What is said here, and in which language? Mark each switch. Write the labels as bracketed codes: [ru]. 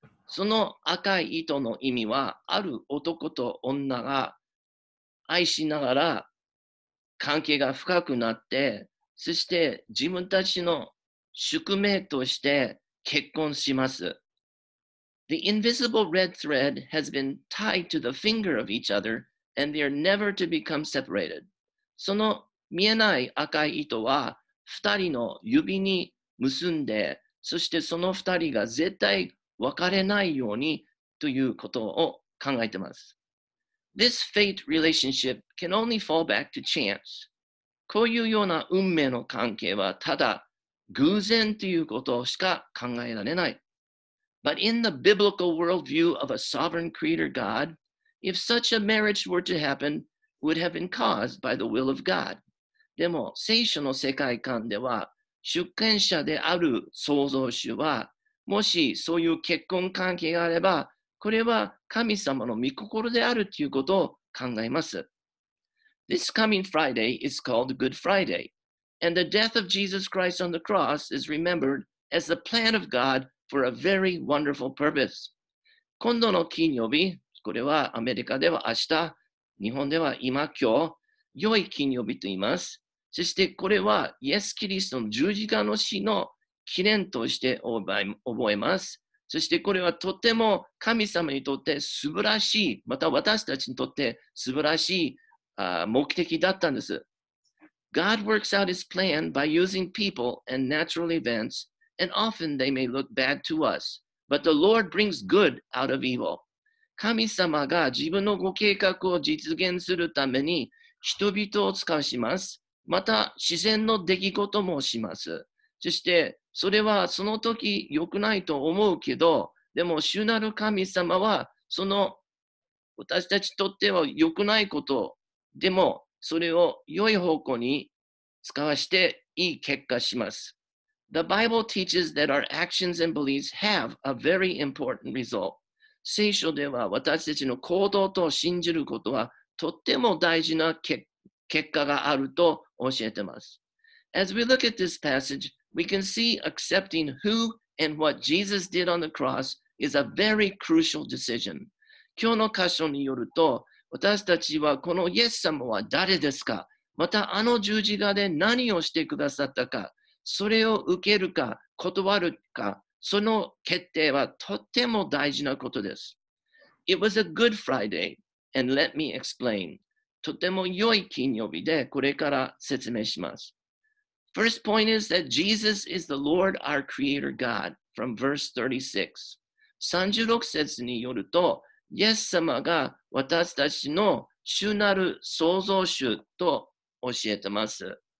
[ja] その赤い糸の意味は、ある男と女が愛しながら関係が深くなって、そして自分たちの宿命として結婚します。 [en] The invisible red thread has been tied to the finger of each other, and they are never to become separated. [ja] その見えない赤い糸は二人の指に結んで、そしてその二人が絶対別れないようにということを考えてます。 [en] This fate relationship can only fall back to chance. [ja] こういうような運命の関係はただ偶然ということしか考えられない。 [en] But in the biblical worldview of a sovereign creator God, if such a marriage were to happen, would have been caused by the will of God. [ja] でも、聖書の世界観では、主権者である創造主は、もしそういう結婚関係があれば、これは神様の御心であるということを考えます。 [en] This coming Friday is called Good Friday, and the death of Jesus Christ on the cross is remembered as the plan of God. For a very wonderful purpose. [ja] 今度の金曜日、これはアメリカでは明日、日本では今今日、良い金曜日と言います。そしてこれはイエス・キリストの十字架の死の記念として覚えます。そしてこれはとても神様にとって素晴らしい、また私たちにとって素晴らしい目的だったんです。 [en] God works out his plan by using people and natural events, and often they may look bad to us. But the Lord brings good out of evil. [ja] 神様が自分のご計画を実現するために人々を使わします。また自然の出来事もします。そしてそれはその時良くないと思うけど、でも主なる神様はその私たちにとっては良くないことでもそれを良い方向に使わしていい結果します。 [en] The Bible teaches that our actions and beliefs have a very important result. [ja] 聖書では私たちの行動と信じることはとっても大事な結果があると教えています。 [en] As we look at this passage, we can see accepting who and what Jesus did on the cross is a very crucial decision. [ja] 今日の箇所によると、私たちはこのイエス様は誰ですか？またあの十字架で何をしてくださったか、それを受けるか断るか、その決定はとっても大事なことです。 [en] It was a good Friday, and let me explain. [ja] とても良い金曜日でこれから説明します。 [en] First point is that Jesus is the Lord our Creator God from verse 36. [ja] 36節によるとイエス様が私たちの主なる創造主と教えてます。